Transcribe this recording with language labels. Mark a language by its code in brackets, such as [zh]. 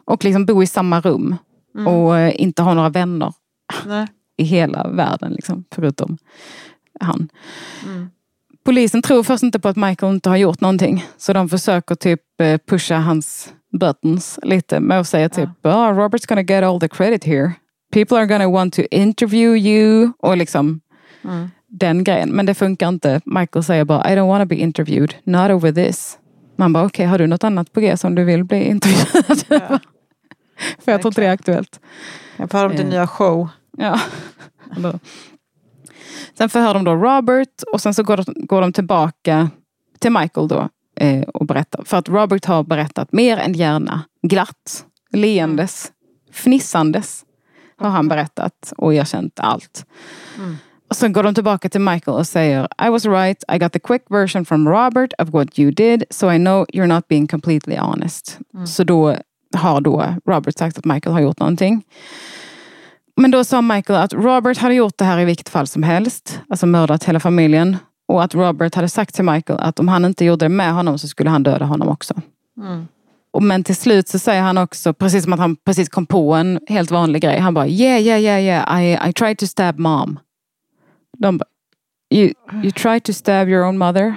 [sv] Och liksom bo i samma rum och inte ha några vänner i hela världen liksom, förutom han. Polisen tror först inte på att Michael inte har gjort någonting. Så de försöker typ pusha hans buttons lite med att säga typ [en] oh, Robert's gonna get all the credit here. People are gonna want to interview you. [sv] Och liksom den grejen. Men det funkar inte. Michael säger bara [en] I don't want to be interviewed. Not over this. [sv] Man bara okej, har du något annat på G som du vill bli intervjuad? Ja. För jag tror inte det är aktuellt. Jag får om din nya show. Ja. Sen förhör de då Robert och sen så går de tillbaka till Michael då och berättar. För att Robert har berättat mer än gärna glatt, leendes, fnissandes har han berättat och erkänt allt. Mm. Och sen går de tillbaka till Michael och säger [en] I was right, I got the quick version from Robert of what you did, so I know you're not being completely honest. Mm. [sv] Så då har då Robert sagt att Michael har gjort någonting. Men då sa Michael att Robert hade gjort det här i vilket fall som helst. Alltså mördat hela familjen. Och att Robert hade sagt till Michael att om han inte gjorde det med honom så skulle han döda honom också. Mm. Och men till slut så säger han också, precis som att han precis kom på en helt vanlig grej. Han bara, [en] I tried to stab mom. [sv] De bara, [en] you tried to stab your own mother?